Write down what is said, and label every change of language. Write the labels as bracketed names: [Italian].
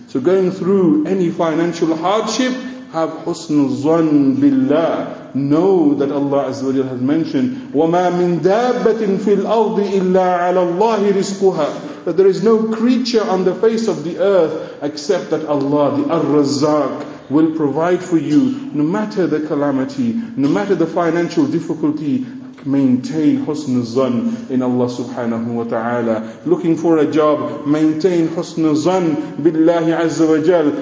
[English] So going through any financial hardship, have husn zan billah. Know that Allah Azza wa Jalla has mentioned, [Arabic] وَمَا مِن دَابَّةٍ فِي الْأَرْضِ إِلَّا عَلَى اللَّهِ رِزْقُهَا. [English] That there is no creature on the face of the earth except that Allah, the Ar-Razzaq, will provide for you, no matter the calamity, no matter the financial difficulty. Maintain husn al-zan in Allah subhanahu wa ta'ala. Looking for a job, maintain husn al-zan billahi azza wa jal.